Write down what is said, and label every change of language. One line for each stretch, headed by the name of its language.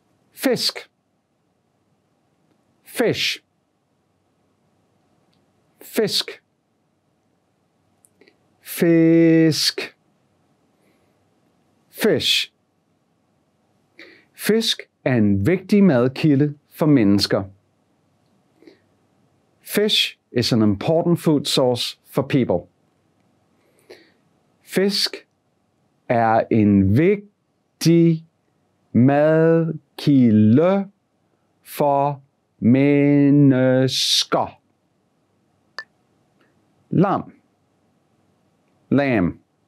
Danish: Fisk.
English: Fish.
Danish: Fisk. Fisk.
English: Fish.
Danish: Fisk er en vigtig madkilde for mennesker.
English: Fish is an important food source for people.
Danish: Fisk er en vigtig madkilde for mennesker. Lam.
English: Lamb.